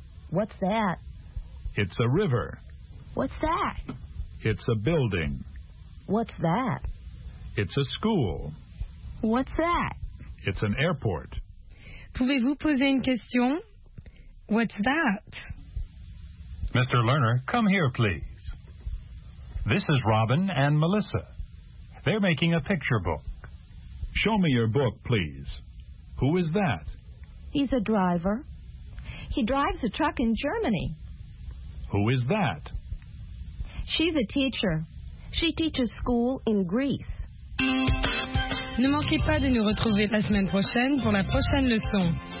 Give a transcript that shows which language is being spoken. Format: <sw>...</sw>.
<en>What's that? It's a river. What's that? It's a building. What's that? It's a school. What's that? It's an airport.</en> <fr>Pouvez-vous poser une question?</fr> <en>What's that? Mr. Lerner, come here, please. This is Robin and Melissa. They're making a picture book. Show me your book, please. Who is that? He's a driver. He drives a truck in Germany. Who is that? She's a teacher. She teaches school in Greece.</en> <fr>Ne manquez pas de nous retrouver la semaine prochaine pour la prochaine leçon.</fr>